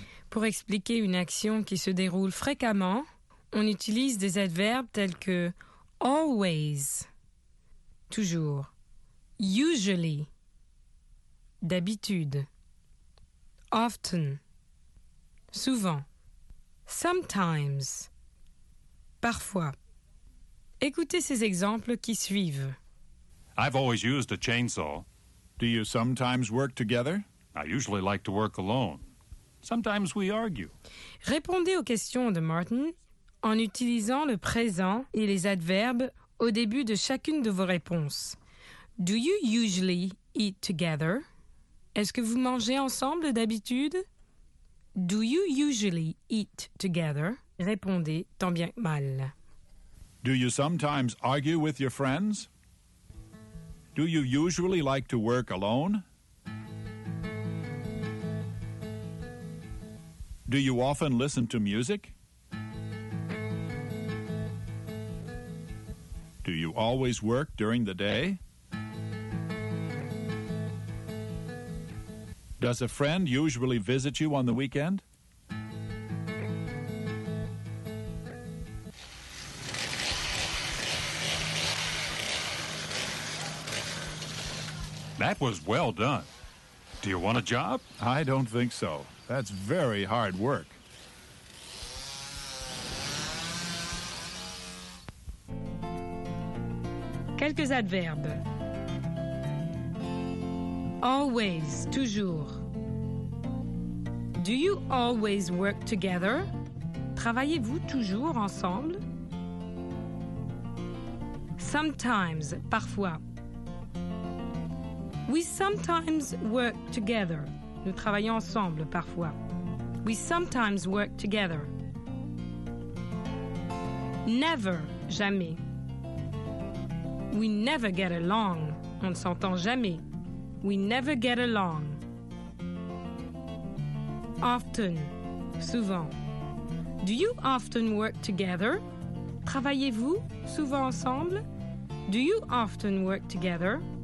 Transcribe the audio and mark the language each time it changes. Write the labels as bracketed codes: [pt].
[fr] Pour expliquer une action qui se déroule fréquemment, on utilise des adverbes tels que always, toujours, usually, d'habitude, often, souvent, sometimes, parfois. Écoutez ces exemples qui suivent. [en] I've always used a chainsaw. Do you sometimes work together? I usually like to work alone. Sometimes we argue. [fr] Répondez aux questions de Martin en utilisant le présent et les adverbes au début de chacune de vos réponses. [en] Do you usually eat together? [fr] Est-ce que vous mangez ensemble d'habitude? [en] Do you usually eat together? [fr] Répondez tant bien que mal. [en] Do you sometimes argue with your friends? Do you usually like to work alone? Do you often listen to music? Do you always work during the day? Does a friend usually visit you on the weekend? That was well done. Do you want a job? I don't think so. That's very hard work. [fr] Quelques adverbes. [en] Always, toujours. Do you always work together? [fr] Travaillez-vous toujours ensemble? [en] Sometimes, parfois. We sometimes work together. [fr] Nous travaillons ensemble parfois. [en] We sometimes work together. Never, jamais. We never get along. [fr] On ne s'entend jamais. [en] We never get along. Often, souvent. Do you often work together? [fr] Travaillez-vous souvent ensemble? [en] Do you often work together?